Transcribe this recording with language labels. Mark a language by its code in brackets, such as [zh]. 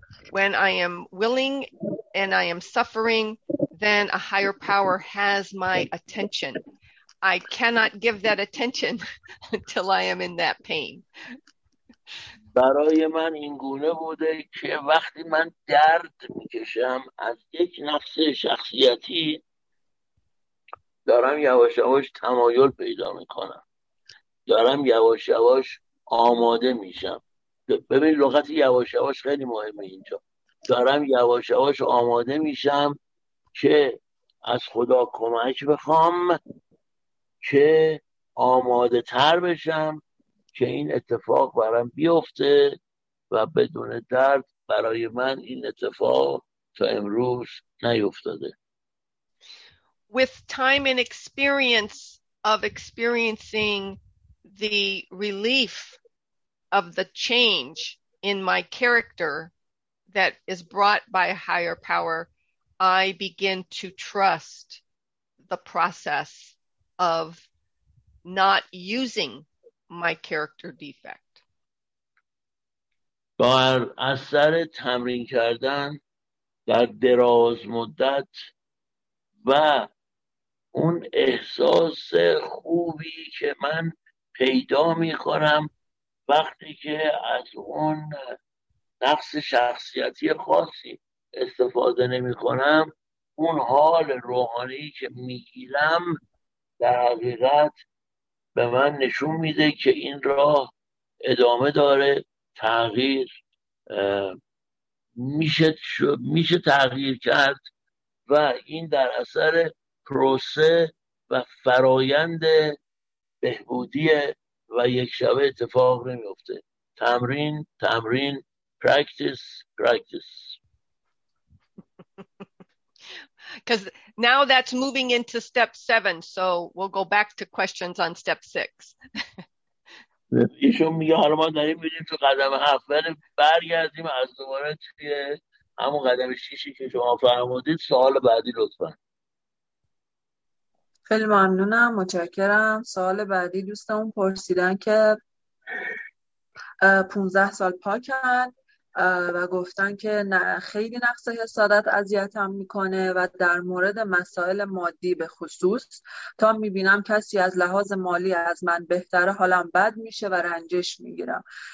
[en] When I am willing and I am suffering, then a higher power has my attention. I cannot give that attention until I am in that pain. [fa] برای من این گونه بوده که وقتی من درد میکشم از یک نقص شخصیتی، دارم یواش یواش تمایل پیدا میکنم، دارم یواش یواش آماده میشم. ببین لغت یواش یواش خیلی مهمه اینجا. دارم یواش یواش آماده میشم که از خدا کمک بخوام که آماده تر بشم که این اتفاق برام بیفته و بدون درد برای من این اتفاق تا امروز نیفتاده. [en] With time and experience of experiencing the relief of the change in my character that is brought by a higher power, I begin to trust the process of not using my character defect. [fa] با اثر تمرین کردن در دراز مدت و اون احساس خوبی که من پیدا می کنم وقتی که از اون نقص شخصیتی خاصی استفاده نمی کنم، اون حال روحانی که می گیرم در حقیقت به من نشون میده که این راه ادامه داره، تغییر میشه تغییر کرد و این در اثر پروسه و فرایند بهبودی و یک شبه اتفاق نمیفته. تمرین تمرین، پرکتیس پرکتیس. [en] Because now that's moving into step 7, so we'll go back to questions on step 6. [fa] ایشون میگه حالا ما داریم میریم تو قدم 7، ولی برگردیم از دوباره توی همون قدم 6 که شما فرمودید. سوال بعدی لطفا. خیلی ممنونم، متشکرم. سوال بعدی دوستمون پرسیدن که 15 سال پاکن و گفتن که نه، خیلی نقص حسادت اذیتم میکنه و در مورد مسائل مادی به خصوص تا میبینم کسی از لحاظ مالی از من بهتره حالم بد میشه و رنجش میگیرم.